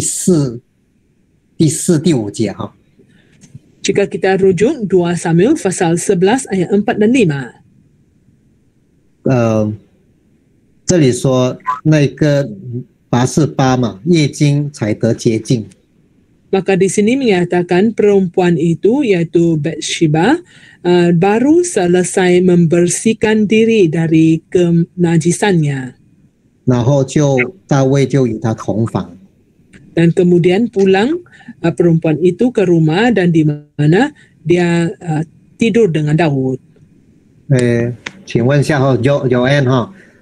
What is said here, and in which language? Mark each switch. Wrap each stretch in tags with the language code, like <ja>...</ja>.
<zh>按照，Joanne都在了哈。如果你看那个叫撒母耳记下的十一章的第四、第五节哈。</zh> <ms>Jika kita rujuk 2 Samuel pasal 11 ayat 4 dan 5.</ms> <zh>这里说那个八四八嘛，月经才得洁净。</zh> <ms>Maka di sini menyatakan perempuan itu yaitu Bathsheba baru selesai membersihkan diri dari kenajisannya.</ms> <zh>然后就大卫就与她同房。</zh> <ms>Dan kemudian pulang perempuan itu ke rumah dan di mana dia tidur dengan Daud.</ms> <zh>请问一下哦，Joanne哈。</zh>